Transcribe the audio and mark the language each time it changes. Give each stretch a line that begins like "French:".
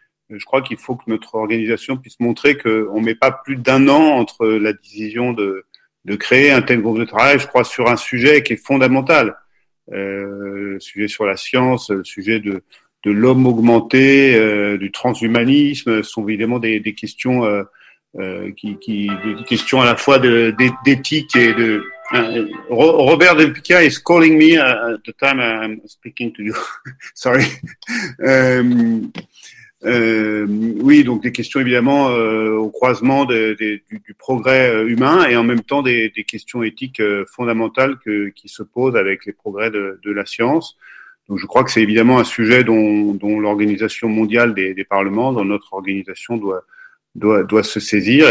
French: Je crois qu'il faut que notre organisation puisse montrer qu'on ne met pas plus d'un an entre la décision de créer un tel groupe de travail, je crois, sur un sujet qui est fondamental, le sujet sur la science, le sujet de l'homme augmenté, du transhumanisme. Ce sont évidemment des questions des questions à la fois d'éthique et de...
English: Robert De Pica is calling me at the time I'm speaking to you. Sorry.
French: Oui, donc des questions évidemment au croisement du progrès humain et en même temps des questions éthiques fondamentales qui se posent avec les progrès de la science. Donc je crois que c'est évidemment un sujet dont l'Organisation mondiale des parlements, dont notre organisation doit se saisir.